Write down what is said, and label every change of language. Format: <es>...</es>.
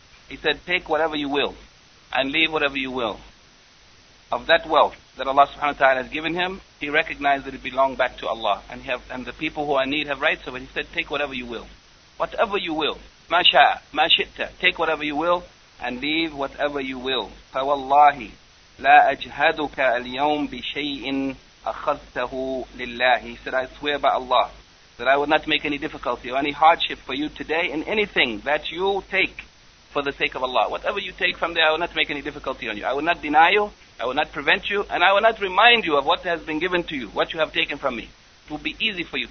<en>He said, take whatever you will, and leave whatever you will. Of that wealth that Allah subhanahu wa ta'ala has given him, he recognized that it belonged back to Allah, and the people who are in need have rights of it. He said, take whatever you will. Whatever you will.</en> <ar>مَا شَاءَ مَا شِتَّ.</ar> <en>Take whatever you will, and leave whatever you will.</en> <ar>فَوَاللَّهِ لا أجهدك اليوم بشيء أخذته لله.</ar> <en>He said, I swear by Allah that I will not make any difficulty or any hardship for you today in anything that you take for the sake of Allah. Whatever you take from there, I will not make any difficulty on you. I will not deny you, I will not prevent you, and I will not remind you of what has been given to you, what you have taken from me. It will be easy for you.</en>